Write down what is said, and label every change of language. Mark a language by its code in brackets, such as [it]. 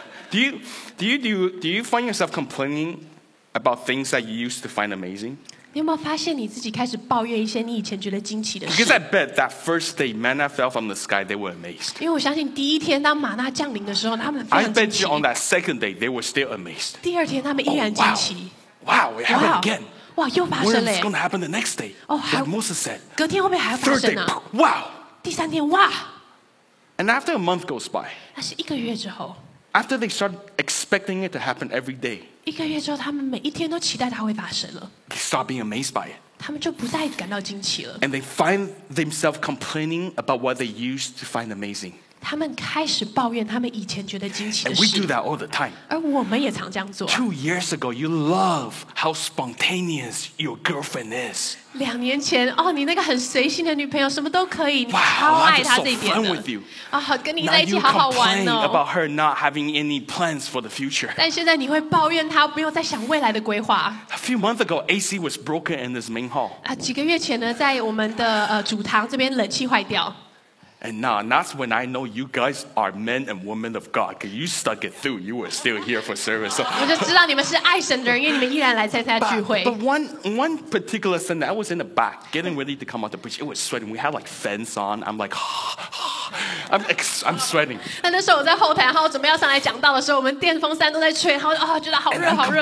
[en] Do you find yourself complaining about things that you used to find amazing? [zh] 你有没有发现你自己开始抱怨一些你以前觉得惊奇的事 [en] ？Because I bet that first day manna fell from the sky, they were amazed. [zh] 因为我相信第一天当玛纳降临的时候，他们非常惊奇。 [en] I bet you on that second day they were still amazed. [zh] 第二天他们依然惊奇。 [en] Oh, wow! It happened again. [zh] 哇，又发生了。 [en] What's going to happen the next day? Oh, like Moses said. [zh] 隔天会不会还要发生呢 [en] ？Third day, wow! [zh] 第三天，哇 [en] ！And after a month goes by. [zh] 那是一个月之后。 [en] After they start expecting it to happen every day, [zh] 一个月之后，他们每一天都期待它会发生了。 [en] They start being amazed by it. [zh] 他们就不再感到惊奇了。 [en] And they find themselves complaining about what they used to find amazing. [zh] 他们开始抱怨他们以前觉得惊奇的事。 [en] And we do that all the time. [zh] 而我们也常这样做。 [en] 2 years ago, you love how spontaneous your girlfriend is. [zh] 两年前，哦，你那个很随性的女朋友，什么都可以，你超爱她这边的。 [en] Wow, so fun with you. [zh] 啊，跟你在一起好好玩哦。 [en] Now you complain about her not having any plans for the future. [zh] 但现在你会抱怨她没有在想未来的规划。 [en] A few months ago, AC was broken in this main hall. [zh] 啊，几个月前呢，在我们的主堂这边冷气坏掉。 [en] And now, that's when I know you guys are men and women of God. Because you stuck it through. You were still here for service. [zh] 我就知道你们是爱神的人，因为你们依然来参加聚会。 [en] But one particular Sunday, I was in the back, getting ready to come out to preach. It was sweating. We had like fans on. I'm like, I'm sweating. [zh] 那时候我在后台，然后准备要上来讲道的时候，我们电风扇都在吹，然后啊，觉得好热，好热。